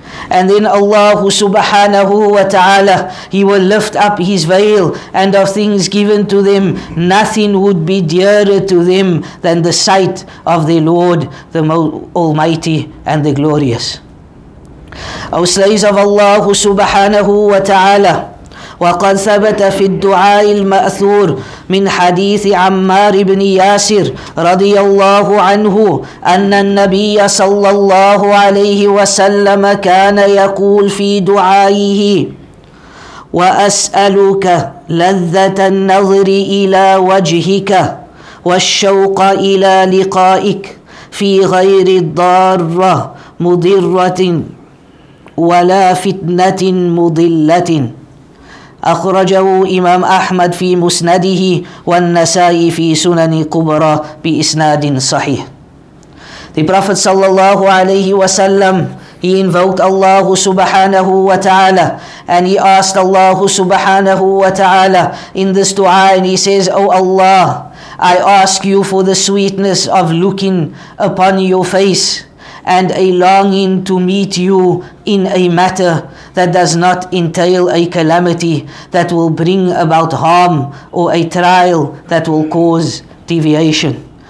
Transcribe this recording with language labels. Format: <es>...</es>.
<en>And then Allah subhanahu wa ta'ala, he will lift up his veil, and of things given to them, nothing would be dearer to them than the sight of the Lord, the Almighty and the Glorious. O slaves of Allah subhanahu wa ta'ala,</en> <ar>وقد ثبت في الدعاء المأثور من حديث عمار بن ياسر رضي الله عنه أن النبي صلى الله عليه وسلم كان يقول في دعائه وأسألك لذة النظر إلى وجهك والشوق إلى لقائك في غير الضارة مضرة ولا فتنة مضلة. أخرجه إمام أحمد في مسنده والنسائي في سنن كبرى بإسناد صحيح.</ar> <en>The Prophet sallallahu alayhi wa sallam, he invoked Allah subhanahu wa ta'ala, and he asked Allah subhanahu wa ta'ala in this dua, and he says, O Allah, I ask you for the sweetness of looking upon your face and a longing to meet you in a matter that does not entail a calamity that will bring about harm or a trial that will cause deviation.</en>